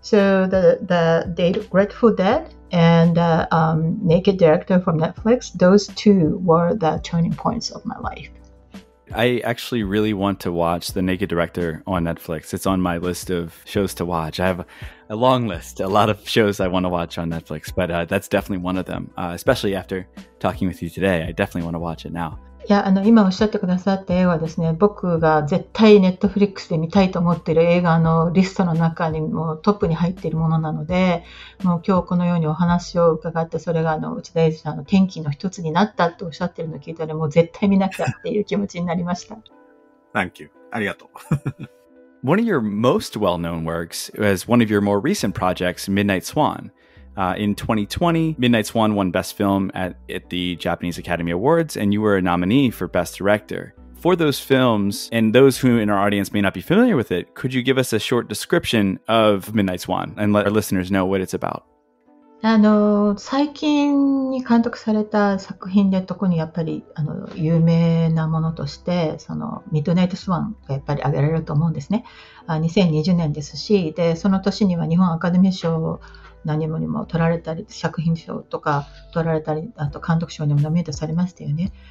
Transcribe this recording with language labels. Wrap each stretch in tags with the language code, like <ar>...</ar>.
<en>So the Grateful Dead and the Naked director from Netflix, those two were the turning points of my life. I actually really want to watch The Naked Director on Netflix. It's on my list of shows to watch. I have a long list, a lot of shows I want to watch on Netflix, but that's definitely one of them, especially after talking with you today. I definitely want to watch it now.</en> <ja>いや、今おっしゃってくださった映画はですね、僕が絶対 Netflix で見たいと思っている映画のリストの中にもうトップに入っているものなので、もう今日このようにお話を伺って、それが内田英治さんの転機の一つになったとおっしゃってるのを聞いたら、もう絶対見なきゃっていう気持ちになりました。</ja> <en>Thank you.</en> <ja>ありがとう。</ja> <en>One of your most well-known works was one of your more recent projects, Midnight Swan. In 2020, Midnight Swan won Best Film at the Japanese Academy Awards, and you were a nominee for Best Director. for those films, and those who in our audience may not be familiar with it, could you give us a short description of Midnight Swan and let our listeners know what it's about?</en> <ja>最近に監督された作品で特にやっぱり有名なものとしてそのミッドナイトスワンがやっぱり挙げられると思うんですね。 2020年ですし、でその年には日本アカデミー賞何もにも取られたり、作品賞とか取られたり、あと監督賞にもノミネートされましたよね。</ja>